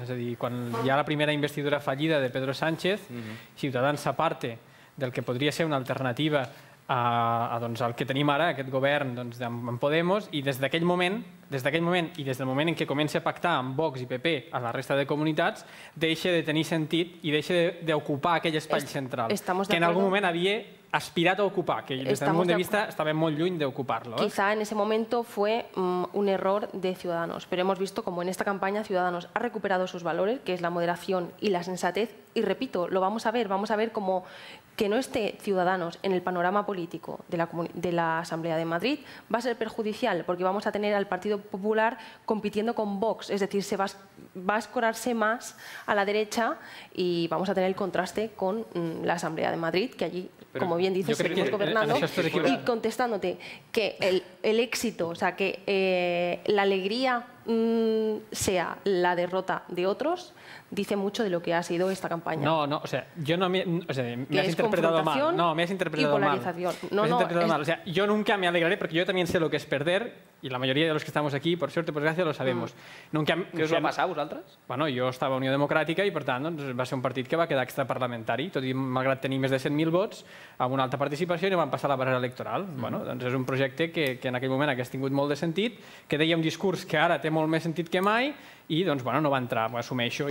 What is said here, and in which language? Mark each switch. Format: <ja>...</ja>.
<ca>És a dir, quan hi ha la primera investidura fallida de Pedro Sánchez, Ciutadans s'aparte del que podria ser una alternativa al que tenim ara, aquest govern amb Podemos, i des d'aquell moment i des del moment en què comença a pactar amb Vox i PP a la resta de comunitats, deixa de tenir sentit i deixa d'ocupar aquell espai central que en algun moment havia aspirat a ocupar, que des del punt de vista estava molt lluny d'ocupar-lo.</ca> <es>Quizá en ese momento fue un error de Ciudadanos, pero hemos visto como en esta campaña Ciudadanos ha recuperado sus valores, que es la moderación y la sensatez, y repito, lo vamos a ver como que no esté Ciudadanos en el panorama político de la Asamblea de Madrid va a ser perjudicial, porque vamos a tener al Partido Popular compitiendo con Vox, es decir, se va a escorarse más a la derecha y vamos a tener el contraste con la Asamblea de Madrid, que allí, pero como bien dices, seguimos gobernando. Y contestándote que el éxito, o sea, que la alegría sea la derrota de otros, dice mucho de lo que ha sido esta campaña. No, o sea, yo no me... O sea, me has interpretado mal. No, me has interpretado mal. No, me has interpretado mal. O sea, yo nunca me alegraré porque yo también sé lo que es perder y la mayoría de los que estamos aquí, por suerte, por gracia, lo sabemos. ¿Qué os ha pasado a vosaltres?</es> <ca>Bueno,</ca> <es>yo estaba</es> <ca>Unió Democràtica</ca> <es>y, por tanto,</es> <ca>va ser un partit que va quedar extraparlamentari, tot i malgrat tenir més de 100.000 vots, amb una alta participació i no van passar la barrera electoral. Bueno, doncs és un projecte que en aquell moment hagués tingut molt de sentit, que deia un discurs que ara té molt més sentit que mai, i doncs, bueno, no va entrar, m'ho assumeixo.</ca>